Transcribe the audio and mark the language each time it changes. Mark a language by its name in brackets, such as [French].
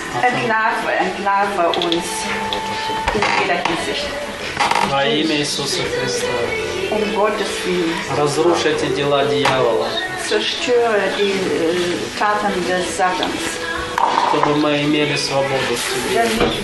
[German] Entlarve uns in jeder Hinsicht. [Russian] Во имя Иисуса Христа. [German] Um Gottes Willen. [Russian] Разрушь эти дела дьявола. [German] Zerstöre die Taten des Satans. [Russian] Чтобы мы имели свободу в